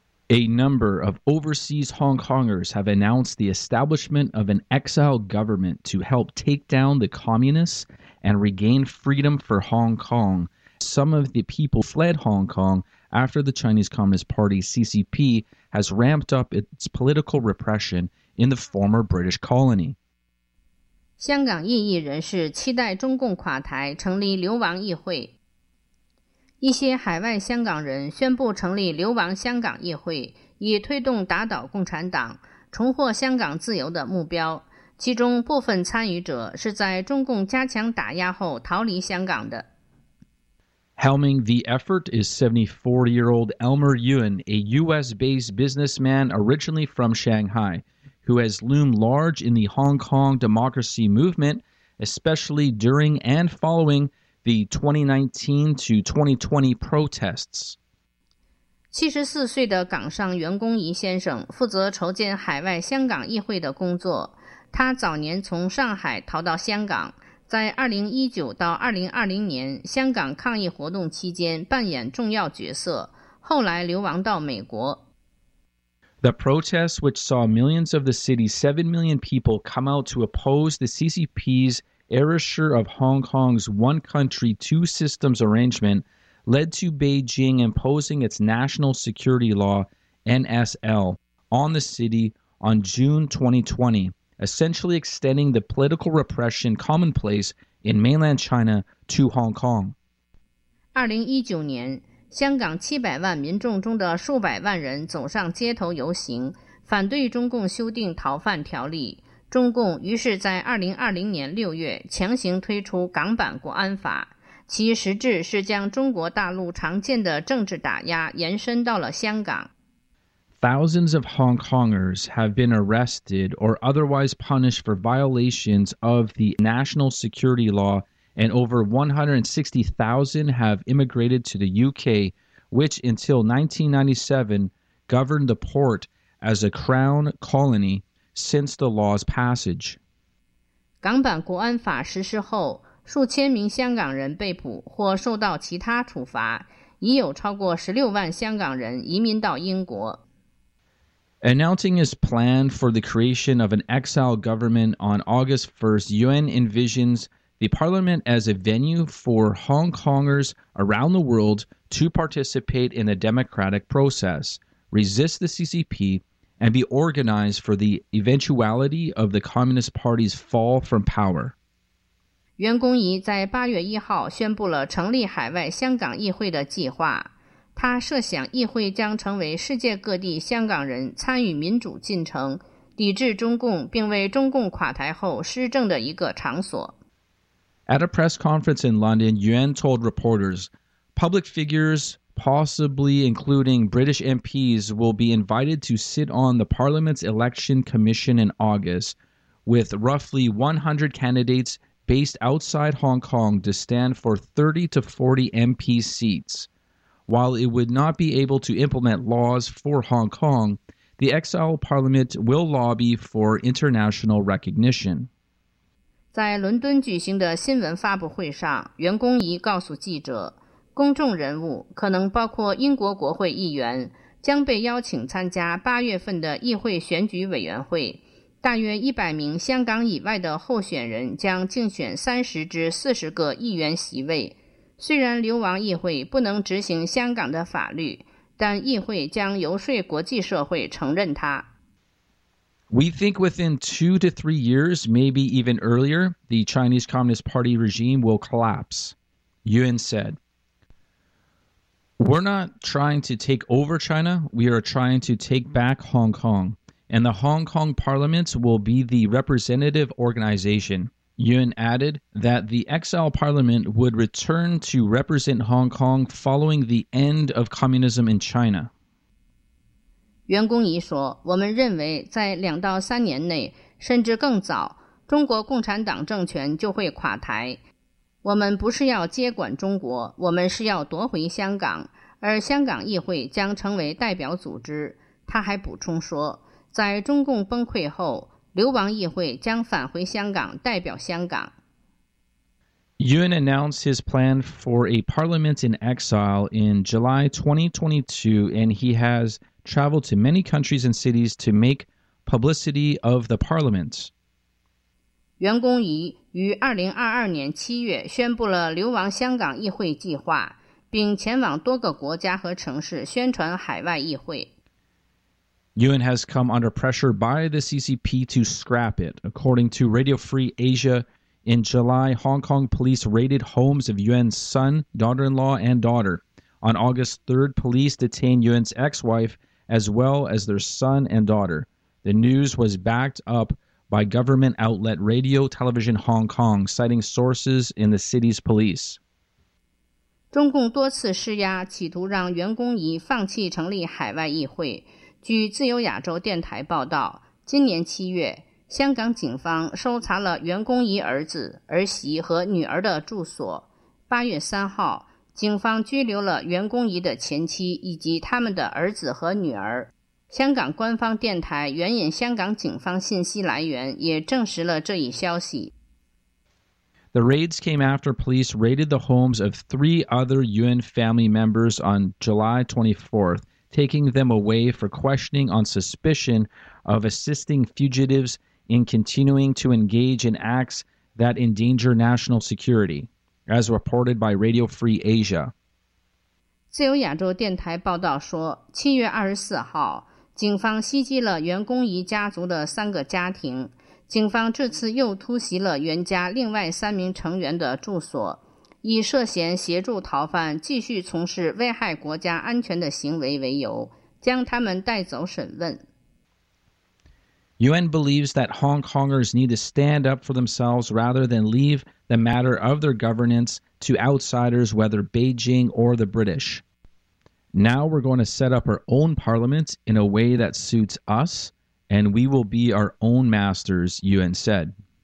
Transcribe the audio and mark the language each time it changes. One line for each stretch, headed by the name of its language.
English: A number of overseas Hong Kongers have announced the establishment of an exile government to help take down the communists and regain freedom for Hong Kong. Some of the people fled Hong Kong after the Chinese Communist Party, CCP, has ramped up its political repression in the former British colony.
Chinese: 香港异议人士期待中共垮台，成立流亡议会。一些海外香港人宣布成立流亡香港议会，以推动打倒共产党、重获香港自由的目标。其中部分参与者是在中共加强打压后逃离香港的。
English: Helming the effort is 74-year-old Elmer Yuen, a U.S.-based businessman originally from Shanghai, who has loomed large in the Hong Kong democracy movement, especially during and following the 2019 to 2020 protests.
Chinese: 74岁的港商袁公仪先生负责筹建海外香港议会的工作。他早年从上海逃到香港，在2019到2020年香港抗议活动期间扮演重要角色，后来流亡到美国。
English: The protests, which saw millions of the city's 7 million people come out to oppose the CCP's erasure of Hong Kong's one country, two systems arrangement, led to Beijing imposing its national security law, NSL, on the city on June 2020, essentially extending the political repression commonplace in mainland China to Hong Kong.
Chinese: 2019年，香港700万民众中的数百万人走上街头游行，反对中共修订逃犯条例。中共于是在2020年6月强行推出港版国安法，其实质是将中国大陆常见的政治打压延伸到了香港。
English: Thousands of Hong Kongers have been arrested or otherwise punished for violations of the national security law, and over 160,000 have immigrated to the UK, which until 1997 governed the port as a crown colony. Since the law's passage,
Chinese: 港版国安法实施后，数千名香港人被捕或受到其他处罚，已有超过16万香港人移民到英国。
English: Announcing his plan for the creation of an exile government on August 1st, Yuen envisions the parliament as a venue for Hong Kongers around the world to participate in the democratic process, resist the CCP. And be organized for the eventuality of the Communist Party's fall from power.
Chinese: 袁公仪在八月一号宣布了成立海外香港议会的计划。他设想议会将成为世界各地香港人参与民主进程、抵制中共并为中共垮台后施政的一个场所。
English: At a press conference in London, Yuen told reporters, public figures. Possibly including British MPs will be invited to sit on the Parliament's Election Commission in August, with roughly 100 candidates based outside Hong Kong to stand for 30 to 40 MP seats. While it would not be able to implement laws for Hong Kong, the exile Parliament will lobby for international recognition.
Chinese: 在伦敦举行的新闻发布会上，袁公仪告诉记者。公众人物可能包括英国国会议员将被邀请参加八月份的议会选举委员会大约100名香港以外的候选人将竞选30至40个议员席位虽然流亡议会不能执行香港的法律但议会将游说国际社会承认它
English: We think within 2 to 3 years, maybe even earlier, the Chinese Communist Party regime will collapse, Yuen said. We're not trying to take over China, we are trying to take back Hong Kong. And the Hong Kong Parliament will be the representative organization, Yuan added that the exile parliament would return to represent Hong Kong following the end of communism in China.
Chinese: 袁公仪说，我们认为在两到三年内，甚至更早，中国共产党政权就会垮台。我们不是要接管中国，我们是要夺回香港，而香港议会将成为代表组织。他还补充说，在中共崩溃后，流亡议会将返回香港，代表香港。
English: Yuan announced his plan for a parliament in exile in July 2022, and he has traveled to many countries and cities to make publicity of the parliament.
Chinese: 袁公仪于2022年7月宣布了流亡香港议会计划，并前往多个国家和城市宣传海外议会。
English: Yuan has come under pressure by the CCP to scrap it. According to Radio Free Asia, in July, Hong Kong police raided homes of Yuan's son, daughter-in-law, and daughter. On August 3rd, police detained Yuan's ex-wife, as well as their son and daughter. The news was backed up by government outlet Radio Television Hong Kong, citing sources in the city's police.
Chinese: 中共多次施压，企图让袁公仪放弃成立海外议会。据自由亚洲电台报道，今年七月，香港警方搜查了袁公仪儿子、儿媳和女儿的住所。八月三号，警方拘留了袁公仪的前妻以及他们的儿子和女儿。香港官方电台援引香港警方信息来源也证实了这一消息。
English: The raids came after police raided the homes of three other Yuan family members on July 24th. taking them away for questioning on suspicion of assisting fugitives in continuing to engage in acts that endanger national security, as reported by Radio Free Asia.
Chinese: 自由亚洲电台报道说，7月24号，警方袭击了袁公仪家族的三个家庭。警方这次又突袭了袁家另外三名成员的住所。以涉嫌协助逃犯继续从事危害国家安全的行为为由，将他们带走审问。
English: Yuan believes that Hong Kongers need to stand up for themselves rather than leave the matter of their governance to outsiders, whether Beijing or the British. Now we're going to set up our own parliament in a way that suits us, and we will be our own masters, Yuan said.